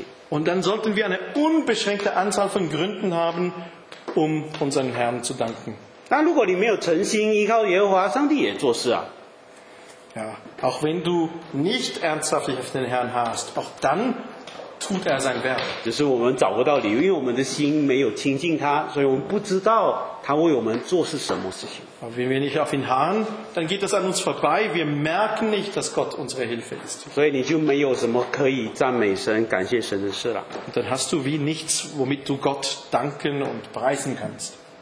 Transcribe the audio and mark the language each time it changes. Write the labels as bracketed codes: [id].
[de] Und dann sollten wir eine unbeschränkte Anzahl von Gründen haben, um unseren Herrn zu danken. Ja, auch wenn du nicht ernsthaft auf den Herrn harrst, auch dann tut er sein Werk. [zh] 只是我们找不到理由, 因为我们的心没有亲近他, 所以我们不知道他为我们做是什么事情。 [de] Aber wenn wir nicht auf ihn harren, dann geht das an uns vorbei. Wir merken nicht, dass Gott unsere Hilfe ist. [zh] 所以你就没有什么可以赞美神、感谢神的事了。 [de] Dann hast du wie nichts, womit du Gott danken und preisen kannst.